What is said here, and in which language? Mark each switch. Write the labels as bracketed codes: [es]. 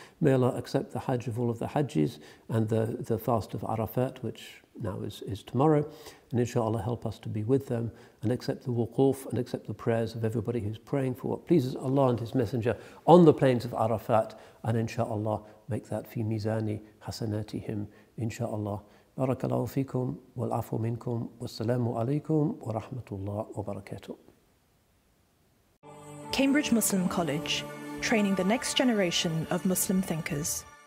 [en] May Allah accept the Hajj of all of the Hajjis and the fast of Arafat, which now is tomorrow. And inshallah, help us to be with them and accept the wukuf and accept the prayers of everybody who's praying for what pleases Allah and His Messenger on the plains of Arafat. And inshallah, make that fi mizani hasanatihim, inshallah. [ar] بارك الله فيكم والعفو منكم والسلام عليكم ورحمة الله وبركاته. [en] Cambridge Muslim College, training the next generation of Muslim thinkers.